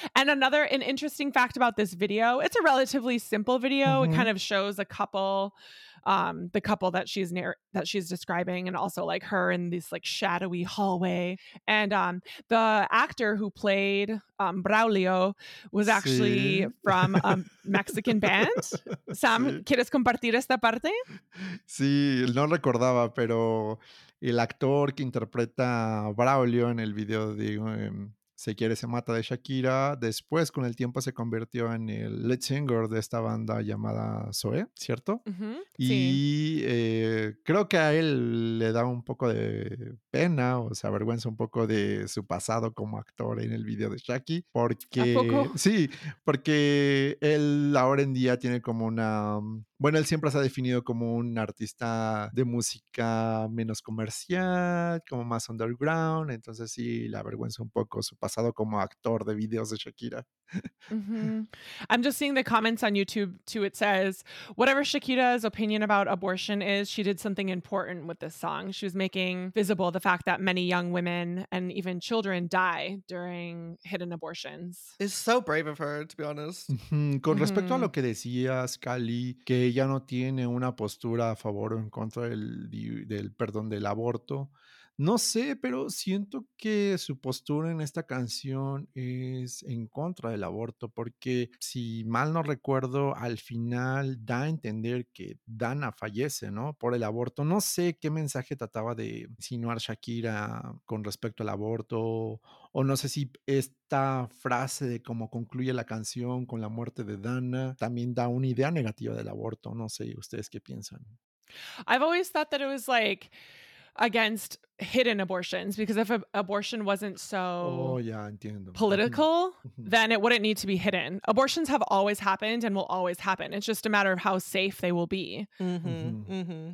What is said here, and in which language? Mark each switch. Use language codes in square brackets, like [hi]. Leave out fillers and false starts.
[en] And another, an interesting fact about this video, it's a relatively simple video. Mm-hmm. It kind of shows a couple, the couple that she's describing, and also like her in this like shadowy hallway. And the actor who played Braulio was actually from a Mexican band. [es] Sam, ¿quieres compartir esta parte? Sí, no recordaba, pero el actor que interpreta a Braulio en el video de Se quiere, se mata de Shakira. Después, con el tiempo, se convirtió en el [en] lead singer [es] de esta banda llamada Zoé, ¿cierto? Uh-huh. Y creo que a él le da un poco de pena o se avergüenza un poco de su pasado como actor en el video de Shaki. Porque, ¿a poco? Sí, porque él ahora en día tiene como una... Bueno, él siempre se ha definido como un artista de música menos comercial, como más underground. Entonces sí, le avergüenza un poco su pasado como actor de videos de Shakira. Mm-hmm. [en] I'm just seeing the comments on YouTube too. It says, whatever Shakira's opinion about abortion is, she did something important with this song. She was making visible the fact that many young women and even children die during hidden abortions. It's so brave of her, to be honest. Mm-hmm. [es] Con respecto mm-hmm. a lo que decías, Cali, que ella no tiene una postura a favor o en contra del aborto, no sé, pero siento que su postura en esta canción es en contra del aborto, porque si mal no recuerdo, al final da a entender que Dana fallece, ¿no? Por el aborto. No sé qué mensaje trataba de insinuar Shakira con respecto al aborto, o no sé si esta frase de cómo concluye la canción con la muerte de Dana también da una idea negativa del aborto. No sé, ¿ustedes qué piensan? [en] I've always thought that it was like... against hidden abortions, because if abortion wasn't so political, then it wouldn't need to be hidden. Abortions have always happened and will always happen. It's just a matter of how safe they will be. Mm-hmm. Mm-hmm.